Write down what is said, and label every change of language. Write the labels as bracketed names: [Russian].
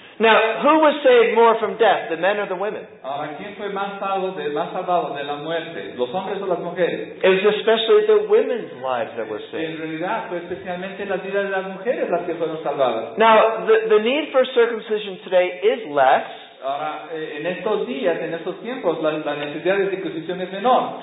[English] Now, who was saved more from death, the men or the women? [Spanish] Ahora, ¿quién fue más salvado de la muerte, los hombres o las mujeres? [English] It was especially the women's lives that were saved. [Spanish] En realidad, fue especialmente las vidas de las mujeres las que fueron salvadas. [English] Now, the need for circumcision today is less. [Spanish] Ahora, en estos días, en estos tiempos, la necesidad de circuncisión es menor.